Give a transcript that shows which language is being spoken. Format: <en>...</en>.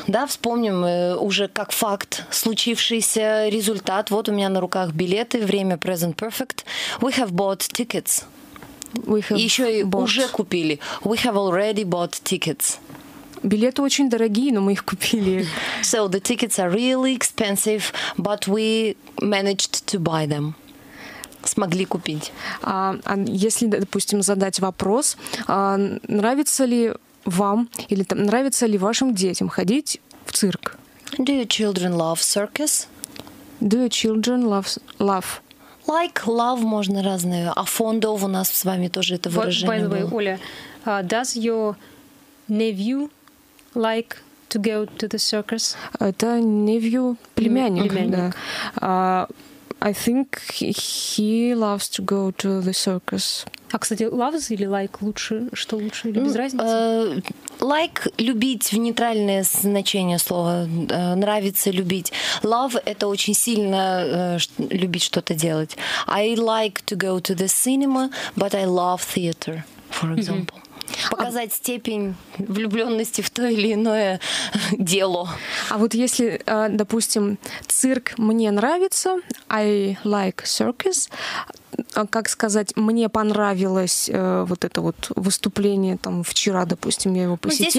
<ru>Да, вспомним уже как факт случившийся результат. Вот у меня на руках билеты.</ru> <en>Время present perfect. We have bought tickets.</en> <ru>Уже купили.</ru> <en>We have already bought tickets.</en> <ru>Билеты очень дорогие, но мы их купили.</ru> <en>So the tickets are really expensive, but we managed to buy them.</en> <ru>Смогли купить. А если, допустим, задать вопрос, нравится ли вам или там нравится ли вашим детям ходить в цирк?</ru> <en>Do your children love circus? Do your children love?</en> <ru>Like, love можно разное. А fond of у нас с вами тоже это выражение.</ru> <en>By the way, Оля, does your nephew like to go to the circus?</en> <ru>Это nephew, племянник. Да.</ru> <en>I think he loves to go to the circus.</en> <ru>А, кстати, loves или like лучше? Что лучше или без разницы? Like – любить в нейтральное значение слова. Нравится – любить. Love – это очень сильно любить что-то делать.</ru> <en>I like to go to the cinema, but I love theater, for example. Mm-hmm.</en> <ru>Показать степень влюблённости в то или иное дело. А вот если, допустим, цирк мне нравится,</ru> <en>I like circus,</en> <ru>как сказать, мне понравилось вот это вот выступление там вчера, допустим, я его посетила.</ru>